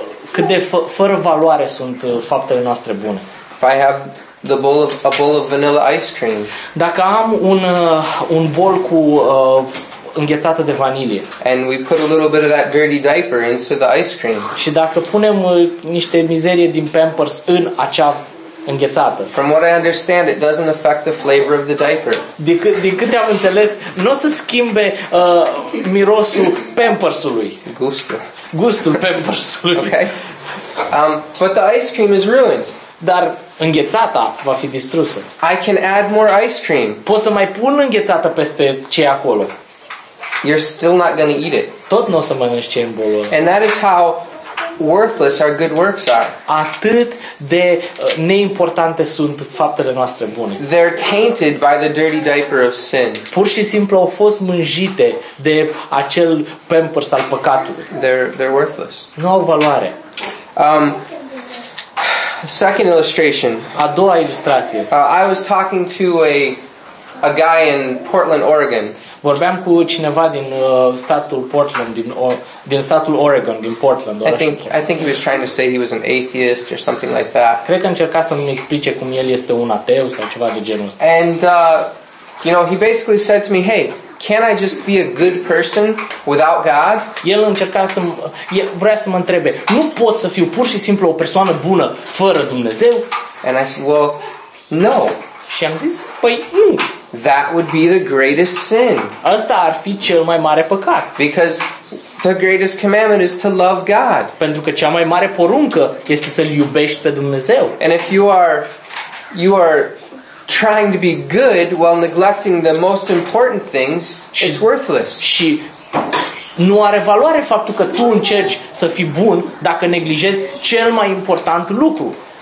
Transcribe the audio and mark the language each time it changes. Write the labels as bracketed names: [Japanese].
[Romanian] Cât de fără valoare sunt faptele noastre bune. [English] If I have a bowl of vanilla ice cream. [Romanian] Dacă am un bol cu înghețată de vanilie. [English] And we put a little bit of that dirty diaper into the ice cream. [Romanian] Și dacă punem niște mizerie din Pampers în acea înghețată. [English] From what I understand, it doesn't affect the flavor of the diaper. [Romanian] Din câte am înțeles, n-o să schimbe mirosul Pampersului. Gustul Pampersului. [English] Okay. But the ice cream is ruined. [Romanian] Dar înghețata va fi distrusă. [English] I can add more ice cream. [Romanian] Pot să mai pun înghețată peste ce e acolo. [English] You're still not going to eat it. [Romanian] Tot n-o să mănânci ce e în bolul. [English] And that is how worthless our good works are. [Romanian] Atât de neimportante sunt faptele noastre bune. [English] They're tainted by the dirty diaper of sin. [Romanian] Pur și simplu au fost mânjite de acel Pampers al păcatului. [English] They're worthless. [Romanian] Nu au valoare. [English] Second illustration. [Romanian] A doua ilustrație. [English] I was talking to a guy in Portland, Oregon. [Romanian] Vorbeam cu cineva din statul Portland, din statul Oregon, din Portland. [English] I think he was trying to say he was an atheist or something like that. [Romanian] Cred că încerca să îmi explice cum el este un ateu sau ceva de genul ăsta. [English] And he basically said to me, "Hey, can I just be a good person without God?" [Romanian] El încerca să vrea să mă întrebe, "Nu pot să fiu pur și simplu o persoană bună fără Dumnezeu?" [English] And I said, "Well, no." [Romanian] Și am zis, "Păi, nu." [English] That would be the greatest sin. [Romanian] Asta ar fi cel mai mare păcat. [English] Because the greatest commandment is to love God. [Romanian] Pentru că cea mai mare poruncă este să-L iubești pe Dumnezeu. [English] And if you are trying to be good while neglecting the most important things, it's worthless. [Romanian] Și Nu are valoare faptul că tu încerci să fii bun dacă neglijezi cel mai important lucru.